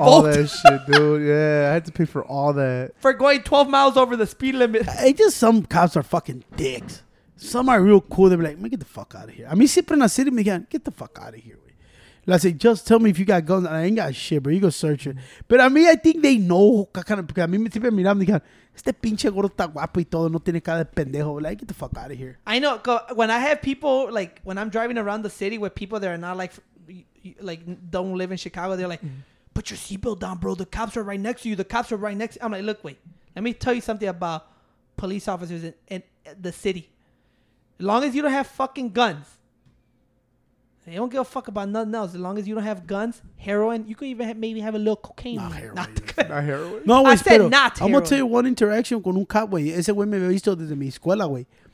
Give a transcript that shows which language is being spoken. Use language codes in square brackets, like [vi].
[en] All that shit, dude. Yeah, I had to pay for all that. For going 12 miles over the speed limit. Hey, just some cops are fucking dicks. Some are real cool. They're like, man, get the fuck out of here. I mean, [es] siempre en la [en] city, man, get the fuck out of here. Like I said, just tell me if you got guns. I ain't got shit, bro. You go search it. But I mean, I think they know. [es] Este pinche gordo está guapo y todo. No tiene cara de pendejo. [en] Like, get the fuck out of here. I know. When I have people, like, when I'm driving around the city with people that are not, like don't live in Chicago, they're like, put your seatbelt down, bro. The cops are right next to you. The cops are right next to you. I'm like, look, wait. Let me tell you something about police officers in the city. As long as you don't have fucking guns. They don't give a fuck about nothing else. As long as you don't have guns, heroin, you could even maybe have a little cocaine. Not heroin. No, wait, I said not heroin. I'm going to tell you one interaction [es] con un [en] cop, güey. [es] Ese güey me había visto desde mi escuela, güey.